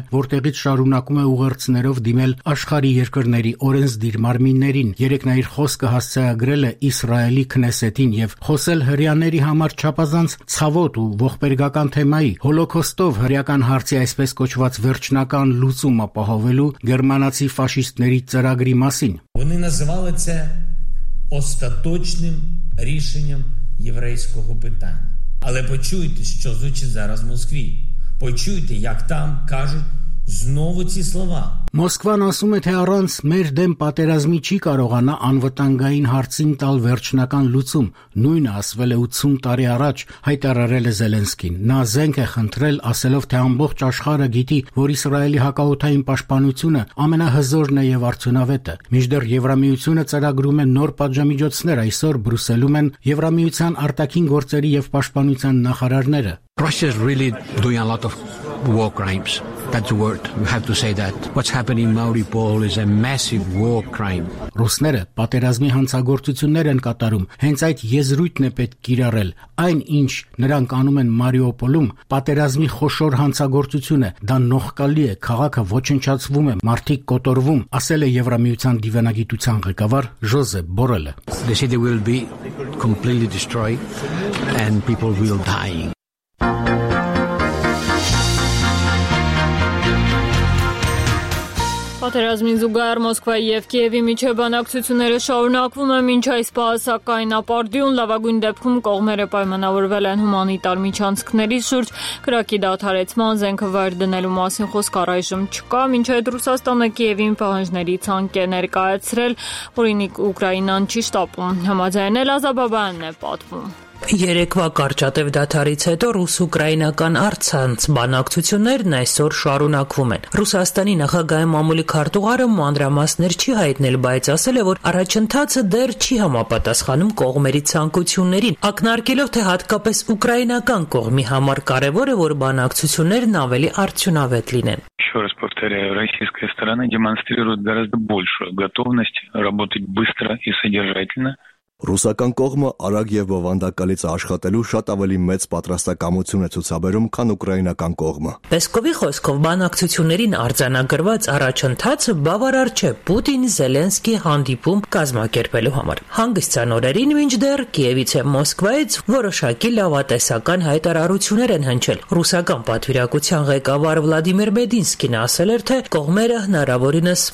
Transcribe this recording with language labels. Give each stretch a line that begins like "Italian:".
Armenian: որտեղից շարունակում է ուղերձներով դիմել աշխարհի երկրների օրենսդիր մարմիններին։ Երեկ նա իր խոսքը հասցեագրել է Իսրայելի Քնեսեթին եւ խոսել հրեաների համար չափազանց ցավոտ ու ողբերգական թեմայի՝ Հոլոկոստով հրեական հարցի այսպես կոչված վերջնական լուծում ապահովելու գերմանացի ֆաշիստների ծրագրի մասին։
Ukrainian: Вони називали це остаточним рішенням єврейського питання. Але почуйте, що звучить зараз в Москві. Почуйте, як там кажуть знову ці слова.
Armenian: Մոսկվան ասում է, թե առանց մեր դեմ պատերազմի չի կարողանա անվտանգային հարցին տալ վերջնական լուծում, նույնը ասվել է 80 տարի առաջ, հայտարարել է Զելենսկին։ Նա զենք է խնդրել, ասելով, թե ամբողջ աշխարհը գիտի, որ Իսրայելի հակաօթային պաշտպանությունը ամենահզորն է եւ արդյունավետը։ Մինչդեռ Եվրամիությունը ծրագրում է նոր պատժամիջոցներ, այսօր Բրյուսելում են Եվրամիության արտաքին գործերի եւ պաշտպանության նախարարները։
English: Russia's really doing a lot of war crimes. That's a word. We have to say that. What's happening in Mariupol is a massive war crime.
Armenian: Ռուսները պատերազմի հանցագործություններ են կատարում։ Հենց այդ եզրույթն է պետք կիրառել։ Այն, ինչ նրանք անում են Մարիուպոլում, պատերազմի խոշոր հանցագործություն է։ Դա նողկալի է, քաղաքը ոչնչացվում է, մարդիկ կոտորվում, ասել է Եվրամիության դիվանագիտության ղեկավար Ժոզեփ Բորելը։
English: They say they will be completely destroyed and people will die.
Armenian: Պատերազմին զուգահեռ Մոսկվայի և Կիևի միջև բանակցությունները շարունակվում են մինչ այս պահ, սակայն ապարդյուն լավագույն դեպքում կողմերը պայմանավորվել են հումանիտար միջանցքների շուրջ, կրակի դադարեցման, զենքը վայր դնելու մասին խոսք առայժմ չկա, մինչ այդ Ռուսաստանը Կիևին պահանջների ցանկ է ներկայացրել, որին Ուկրաինան չի շտապում, համաձայն Էլազա Բաբայանն է պատմում։ Երեկվա կարճատև դադարից հետո ռուս-ուկրաինական առցանց բանակցություններն այսօր շարունակվում են։ Ռուսաստանի նախագահ Մամուլի քարտուղարը մանրամասներ չի հայտնել, բայց ասել է, որ առաջընթացը դեռ չի համապատասխանում կողմերի ցանկություններին, ակնարկելով, թե հատկապես ուկրաինական կողմի համար կարևոր է, որ բանակցություններն ավելի արդյունավետ լինեն։
Russian: Ещё раз повторяю, российская сторона демонстрирует гораздо большую готовность работать быстро и содержательно.
Armenian: Ռուսական կողմը արագ եւ բավանդակալից աշխատելու շատ ավելի մեծ պատրաստակամություն է ցուցաբերում, քան ուկրաինական կողմը։ Պեսկովի խոսքով բանակցություններին արձանագրված առաջընթացը բավարար չէ Պուտին-Զելենսկի հանդիպում կազմակերպելու համար։ Հանգստյան օրերին մինչդեռ Կիևից եւ Մոսկվայից որոշակի լավատեսական հայտարարություններ են հնչել։ Ռուսական պատվիրակության ղեկավար Վլադիմիր Մեդինսկին ասել էր, թե կողմերը հնարավորինս